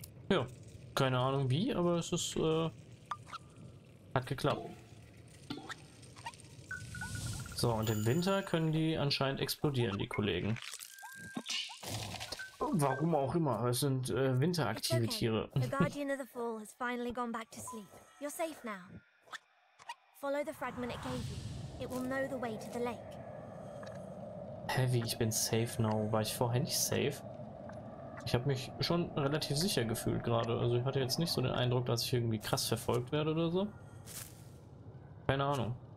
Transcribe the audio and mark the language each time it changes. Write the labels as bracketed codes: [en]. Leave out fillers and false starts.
[de] Ja, keine Ahnung wie, aber es ist, hat geklappt. So, und im Winter können die anscheinend explodieren, die Kollegen. Warum auch immer, es sind winteraktive Tiere. [en] The Guardian of the Fall has finally gone back to sleep. You're safe now. Follow the fragment it gave you. It will know the way to the lake. [de] Heavy, ich bin [en] safe now. [de] War ich vorher nicht safe? Ich habe mich schon relativ sicher gefühlt gerade. Also ich hatte jetzt nicht so den Eindruck, dass ich irgendwie krass verfolgt werde oder so. Keine Ahnung.